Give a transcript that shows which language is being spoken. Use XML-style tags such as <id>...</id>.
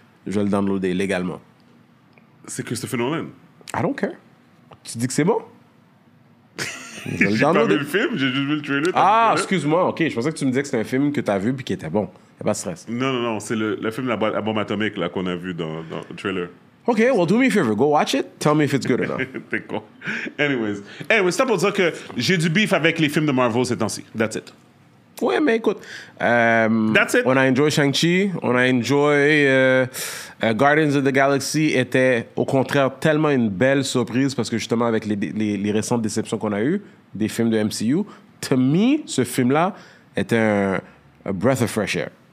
<fr>Je vais le downloader légalement. C'est Christopher Nolan.</fr> <en>I don't care.</en> <fr>Tu dis que c'est bon? J'ai pas vu le film, j'ai juste vu le trailer. Ah, excuse-moi, ok, je pensais que tu me disais que c'était un film que t'as vu puis qui était bon. Y'a pas de stress. Non, non, non, c'est le film La Bombe Atomique là, qu'on a vu dans le trailer.</fr> <en>Ok, well, do me a favor, go watch it, tell me if it's good or not.</en> <fr>T'es con. Anyways, c'est pour dire que j'ai du beef avec les films de Marvel ces temps-ci.</fr> <en>That's it.</en> <fr>Ouais, mais écoute.</fr> <en>That's it.</en> <fr>On a enjoyed Shang-Chi, on a enjoyed Guardians of the Galaxy était au contraire tellement une belle surprise parce que justement avec les récentes déceptions qu'on a eues des films de MCU,</fr> <en>to me,</en> <fr>ce film-là était un</fr> <en>breath of fresh air.</en>